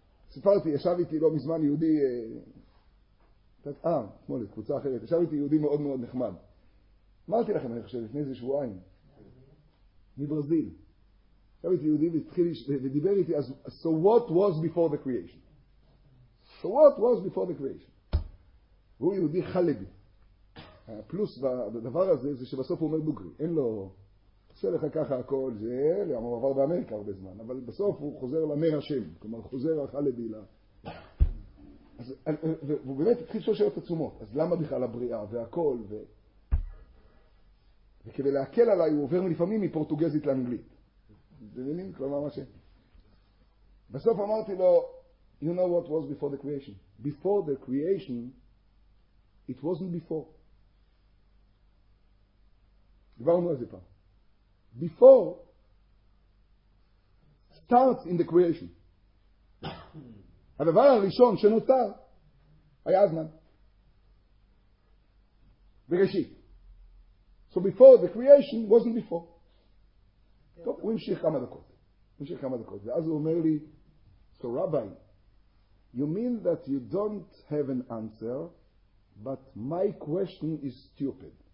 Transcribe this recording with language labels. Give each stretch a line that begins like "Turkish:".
Hebrew: סיפרתי, ישב איתי לא מזמן יהודי, כמול, קבוצה אחרת, ישב איתי יהודי מאוד מאוד נחמד. אמרתי לכם, אני חושב, לפני איזה שבועיים, מברזיל. ישב איתי יהודי והתחיל ודיבר איתי, אז,
English: so what was before the creation? So what was before the creation?
Hebrew: והוא יהודי חלבי. הפלוס בדבר הזה זה שבסוף הוא אומר דוגרי, אין לו, עושה לך ככה הכל, זה הוא עבר באמריקה הרבה זמן, אבל בסוף הוא חוזר למי השם, כלומר חוזר החלבי לה. והוא באמת התחיל שושרת עצומות, אז למה בכלל הבריאה והכל? וכדי להקל עליי הוא עובר לפעמים מפורטוגזית לאנגלית. זה מבינים? כלומר מה ש... בסוף אמרתי לו,
English: you know what was before the creation? Before the creation, it wasn't before.
Hebrew: דיברנו על זה פעם.
English: Before starts in the creation.
Hebrew: הדבר הראשון שנותר היה הזמן. בראשית.
English: So before the creation wasn't before. Yeah.
Hebrew: טוב, הוא המשיך כמה דקות. ואז הוא אומר לי,
English: So Rabbi, you mean that you don't have an answer, but my question is stupid.